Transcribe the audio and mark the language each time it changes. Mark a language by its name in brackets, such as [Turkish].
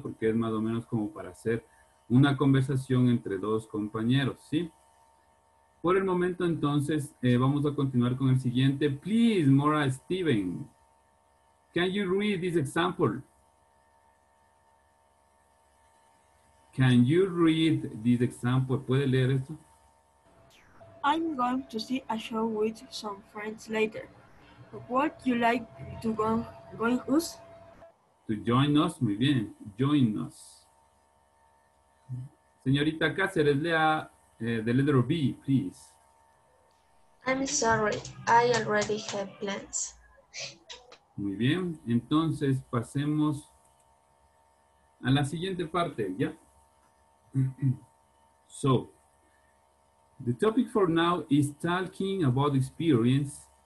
[Spanish] Porque es más o menos como para hacer una conversación entre dos compañeros, ¿sí? Por el momento, entonces, vamos a continuar con el siguiente. [English] Please, Maura Steven, can you read this example? Can you read this example? [Spanish] ¿Puede leer esto? [English] I'm going to see a show with some friends later. What you like to join us? To join us, muy bien, join us. Señorita Cáceres, lea the letter B, please. I'm sorry, I already have plans. [Spanish] Muy bien, entonces pasemos a la siguiente parte, ¿ya? [English] So, the topic for now is talking about experience.